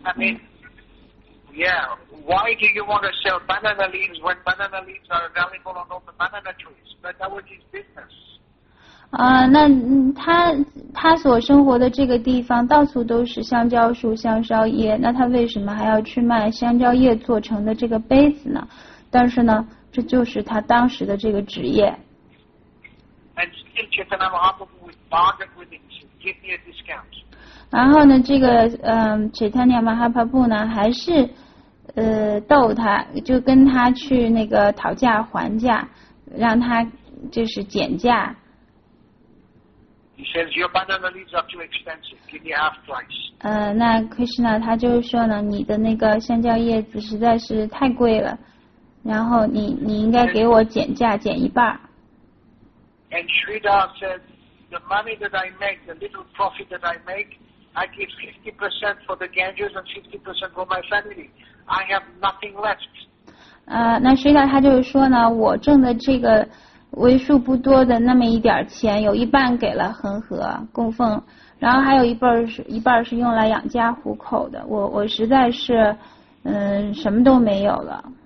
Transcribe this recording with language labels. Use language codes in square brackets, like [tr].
[en] I mean, yeah, why do you want to sell banana leaves when banana leaves are available on all the banana trees? But that was his business. [zh] 那他所生活的这个地方到处都是香蕉树、香蕉叶，那他为什么还要去卖香蕉叶做成的这个杯子呢？但是呢，这就是他当时的这个职业。 [en] And still Chaitanya Mahaprabhu would bargain with him, give me a discount. [zh] 然后呢，这个Chaitanya Mahaprabhu 呢，还是逗他，就跟他去那个讨价还价，让他就是减价。 [en] He says your banana leaves are too expensive. Give me half price. [zh] 那 Krishna 他就是说呢，你的那个香蕉叶子实在是太贵了。然后你应该给我减价，减一半。 [en] And Sridhar says, the money that I make, the little profit that I make, I give 50% for the Ganges and 50% for my family. I have nothing left. [zh] 那 Sridhar 他就是说呢，我挣的这个为数不多的那么一点钱，有一半给了恒河供奉，然后还有一半是用来养家糊口的。我实在是，什么都没有了。